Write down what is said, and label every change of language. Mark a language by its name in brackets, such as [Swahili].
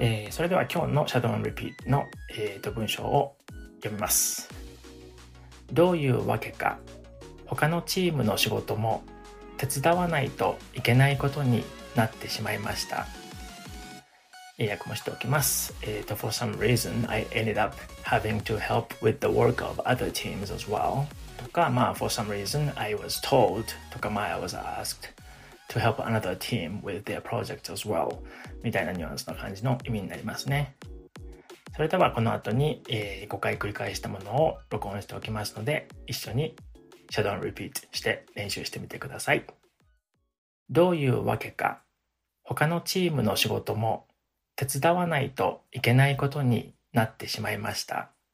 [Japanese] それでは今日のシャドウ&リピートの、文章を読みます。どういうわけか他のチームの仕事も手伝わないといけないことになってしまいました。英訳もしておきます。 [English] For some reason I ended up having to help with the work of other teams as well [Japanese] とか、まあ、 [English] For some reason I was told とか、まあ、I was asked to help another team with their project as well [Japanese] みたいなニュアンスの感じの意味になりますね。それではこの後に5回繰り返したものを録音しておきますので、一緒にシャドウ&リピートして練習してみてください。どういうわけか他のチームの仕事も手伝わないといけないことになってしまいました。